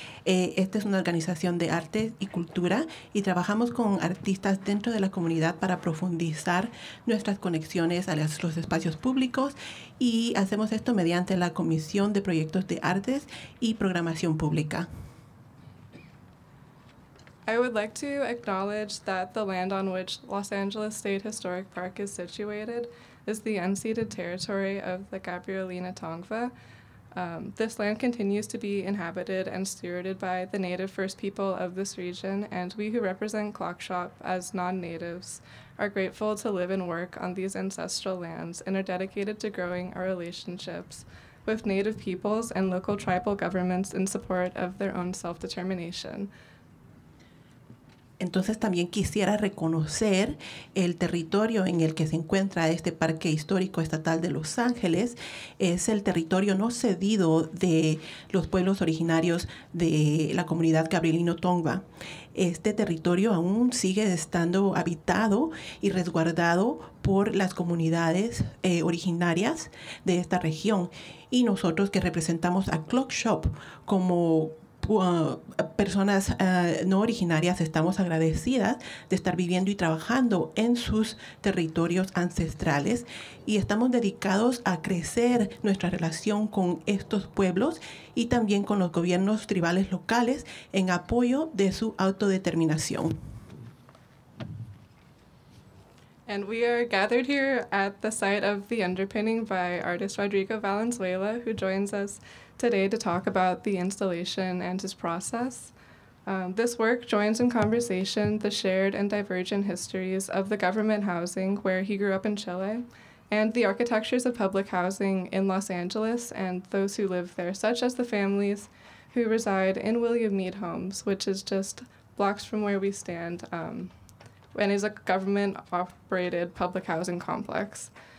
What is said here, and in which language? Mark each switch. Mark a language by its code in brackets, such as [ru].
[es] Esta es una organización de arte y cultura y trabajamos con artistas dentro de la comunidad para profundizar nuestras conexiones a los espacios públicos y hacemos esto mediante la Comisión de Proyectos de Artes y Programación Pública. [en] I would like to acknowledge that the land on which Los Angeles State Historic Park is situated is the unceded territory of the Gabrielina Tongva. This land continues to be inhabited and stewarded by the native first people of this region, and we who represent Clock Shop as non-natives are grateful to live and work on these ancestral lands and are dedicated to growing our relationships with native peoples and local tribal governments in support of their own self-determination. [es] Entonces también quisiera reconocer el territorio en el que se encuentra este Parque Histórico Estatal de Los Ángeles. Es el territorio no cedido de los pueblos originarios de la comunidad Gabrielino Tongva. Este territorio aún sigue estando habitado y resguardado por las comunidades originarias de esta región. Y nosotros que representamos a Clock Shop como personas no originarias, estamos agradecidas de estar viviendo y trabajando en sus territorios ancestrales y estamos dedicados a crecer nuestra relación con estos pueblos y también con los gobiernos tribales locales en apoyo de su autodeterminación. [en] And we are gathered here at the site of the Underpinning by artist Rodrigo Valenzuela, who joins us today to talk about the installation and his process. This work joins in conversation the shared and divergent histories of the government housing where he grew up in Chile, and the architectures of public housing in Los Angeles and those who live there, such as the families who reside in William Meade Homes, which is just blocks from where we stand, and is a government-operated public housing complex.